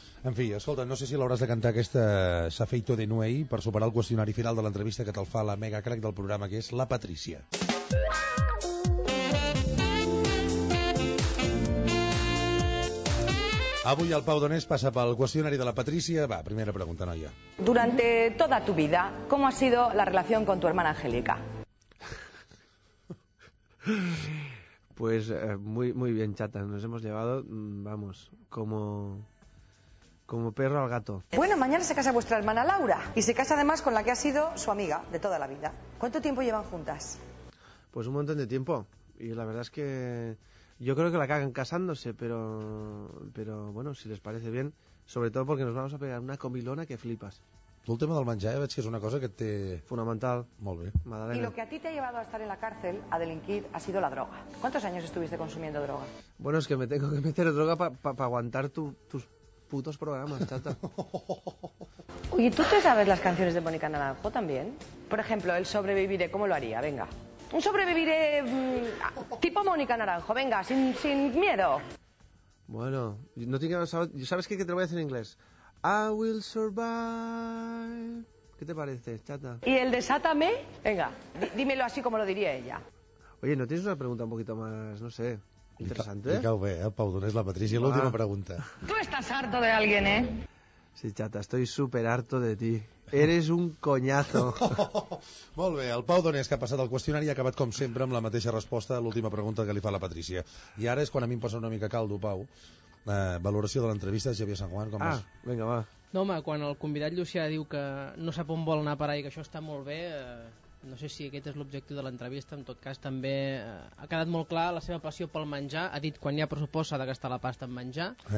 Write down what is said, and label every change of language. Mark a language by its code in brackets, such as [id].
[ca] En fi, escolta, no sé si l'hauràs de cantar aquesta S'afeito de Nuei per superar el qüestionari final de l'entrevista que te'l fa la mega crack del programa, que és la Patrícia. Avui el Pau Donés passa pel qüestionari de la Patrícia. Va, primera pregunta, noia. [es] Durante toda tu vida, ¿cómo ha sido la relación con tu hermana Angélica? Pues muy muy bien, chata. Nos hemos llevado, vamos, como perro al gato. Bueno, mañana se casa vuestra hermana Laura y se casa además con la que ha sido su amiga de toda la vida. ¿Cuánto tiempo llevan juntas? Pues un montón de tiempo. Y la verdad es que yo creo que la cagan casándose, pero bueno, si les parece bien, sobre todo porque nos vamos a pegar una comilona que flipas. [ca] Tu el tema del menjar, ja veig que és una cosa que té... Fonamental. Molt bé. [es] Madalena. Y lo que a ti te ha llevado a estar en la cárcel, a delinquir, ha sido la droga. ¿Cuántos años estuviste consumiendo droga? Bueno, es que me tengo que meter droga para aguantar tus putos programas, chata. Oye, ¿tú te sabes las canciones de Mónica Naranjo también? Por ejemplo, el Sobreviviré, ¿cómo lo haría? Venga. Un Sobreviviré tipo Mónica Naranjo, venga, sin miedo. Bueno, no tiene que saber... ¿Sabes qué? Te lo voy a decir en inglés. [en] I will survive. [es] ¿Qué te parece, chata? ¿Y el desátame? Venga, dímelo así como lo diría ella. Oye, ¿no tienes una pregunta un poquito más, no sé, interesante? [ca] Dica-ho bé, Pau Donés, la Patrícia, l'última pregunta. [es] Tú estás harto de alguien, ¿eh? Sí, chata, estoy súper harto de ti. Eres un coñazo. [ca] Molt bé, el Pau Donés, que ha passat el qüestionari, ha acabat, com sempre, amb la mateixa resposta a l'última pregunta que li fa la Patrícia. I ara és quan a mi em posa una mica caldo, Pau. Valoració de l'entrevista, Xavier San Juan, com és? Ah, vinga, va. No, home, quan el convidat Llucià diu que no sap on vol anar a parar i que això està molt bé, no sé si aquest és l'objectiu de l'entrevista, en tot cas també ha quedat molt clar la seva passió pel menjar, ha dit quan hi ha pressupost s'ha de gastar la pasta en menjar.